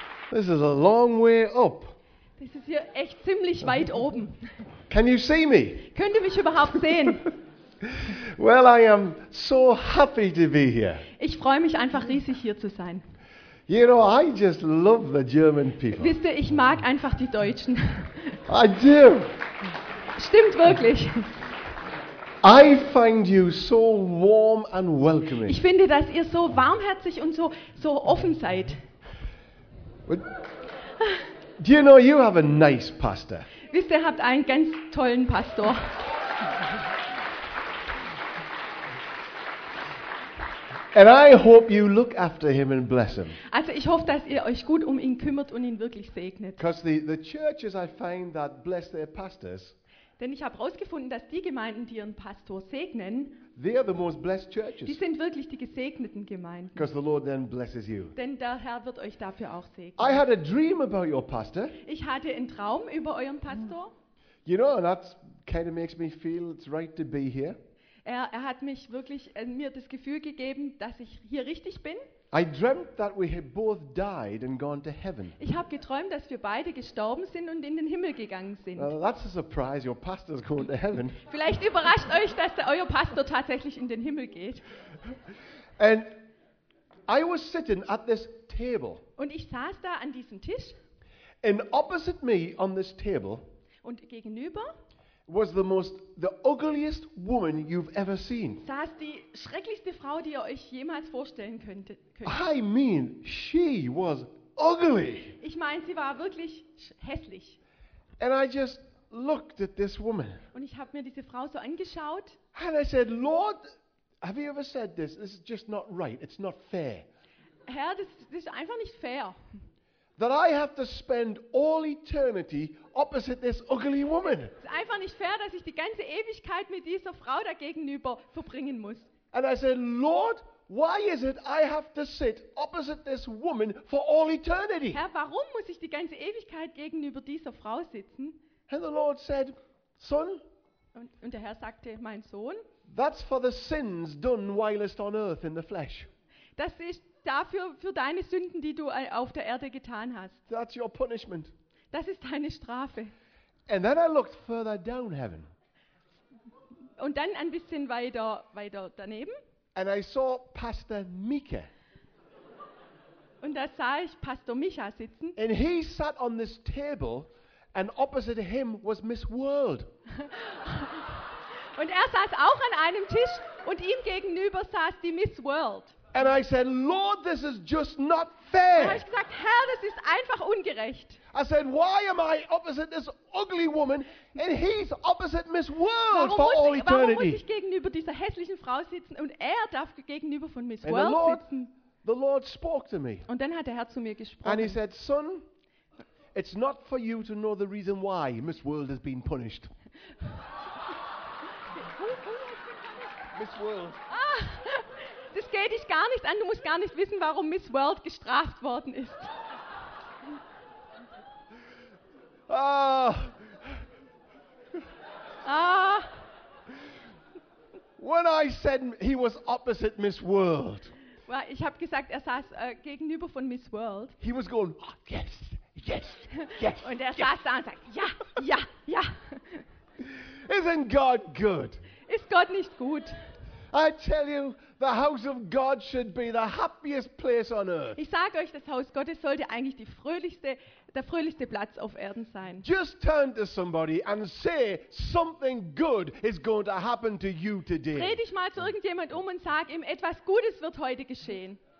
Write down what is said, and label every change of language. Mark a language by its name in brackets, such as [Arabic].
[English] This is a long way up. [German] Das ist hier echt ziemlich weit oben. [English] Can you see me? [German] Könnt ihr mich überhaupt sehen? [English] Well, I am so happy to be here. [German] Ich freue mich einfach riesig hier zu sein. [English] You know, I just love the German people. [German] Wisst ihr, ich mag einfach die Deutschen. [English] I do. [German] Stimmt wirklich. [English] I find you so warm and welcoming. [German] Ich finde, dass ihr so warmherzig und so offen seid. [English] Do you know you have a nice pastor? [German] Wisst ihr, habt einen ganz tollen Pastor. [English] And I hope you look after him and bless him. [German] Also ich hoffe, dass ihr euch gut um ihn kümmert und ihn wirklich segnet. [English] Because the churches I find that bless their pastors. [German] Denn ich habe herausgefunden, dass die Gemeinden, die ihren Pastor segnen, [English] they are the most blessed churches. [German] Die sind wirklich die gesegneten Gemeinden. [English] Because the Lord then blesses you. [German] Denn der Herr wird euch dafür auch segnen. [English] I had a dream about your pastor. [German] Ich hatte einen Traum über euren Pastor. [English] You know, that kind of makes me feel it's right to be here. [German] Er hat mich wirklich mir das Gefühl gegeben, dass ich hier richtig bin. [English] I dreamt that we had both died and gone to heaven. [German] Ich habe geträumt, dass wir beide gestorben sind und in den Himmel gegangen sind. [English] Well, that's a surprise. Your pastor's going to heaven. [German] Vielleicht überrascht euch, dass euer Pastor tatsächlich in den Himmel geht. [English] And I was sitting at this table. [German] Und ich saß da an diesem Tisch. [English] And opposite me on this table. [German] Und gegenüber. [English] Was the ugliest woman you've ever seen. [German] Saß die schrecklichste Frau, die ihr euch jemals vorstellen könntet. [English] I mean, she was ugly. [German] Ich meine, sie war wirklich hässlich. [English] And I just looked at this woman. [German] Und ich habe mir diese Frau so angeschaut. [English] And I said, Lord, have you ever said this? This is just not right. It's not fair. [German] Herr, das ist einfach nicht fair. [English] That I have to spend all eternity opposite this ugly woman. [German] Es ist einfach nicht fair, dass ich die ganze Ewigkeit mit dieser Frau dagegenüber verbringen muss. [English] And I said, Lord, why is it I have to sit opposite this woman for all eternity? [German] Herr, warum muss ich die ganze Ewigkeit gegenüber dieser Frau sitzen? [English] And the Lord said, Son. [German] Und der Herr sagte, mein Sohn. [English] That's for the sins done whilst on earth in the flesh. [German] Das ist dafür, für deine Sünden, die du auf der Erde getan hast. [English] That's your punishment. [German] Das ist deine Strafe. [English] And then I looked further down heaven. [German] Und dann ein bisschen weiter daneben. [English] And I saw Pastor Mika. [German] Und da sah ich Pastor Micha sitzen. [English] And he sat on this table and opposite him was Miss World. [German] Und er saß auch an einem Tisch und ihm gegenüber saß die Miss World. [English] And I said, Lord, this is just not fair. [German] Und habe ich gesagt, Herr, das ist einfach ungerecht. [English] I said, why am I opposite this ugly woman and he's opposite Miss World for all eternity? [German] Warum muss ich gegenüber dieser hässlichen Frau sitzen und er darf gegenüber von Miss World sitzen? [English] The Lord spoke to me. [German] Und dann hat der Herr zu mir gesprochen. [English] And he said, son, it's not for you to know the reason why Miss World has been punished. Miss World. [German] Das geht dich gar nicht an. Du musst gar nicht wissen, warum Miss World gestraft worden ist. Ah. [English] When I said he was opposite Miss World. [German] Well, ich habe gesagt, er saß gegenüber von Miss World. [English] He was going, oh, yes, yes, yes. [German] Und er saß da und sagt, ja, ja, ja. [English] Isn't God good? [German] Ist Gott nicht gut? [English] I tell you, the house of God should be the happiest place on earth. [German] Ich sage euch, das Haus Gottes sollte eigentlich der fröhlichste Platz auf Erden sein. [English] Just turn to somebody and say something good is going to happen to you today. [German] Dreh dich mal zu irgendjemand um und sag ihm, etwas Gutes wird heute geschehen.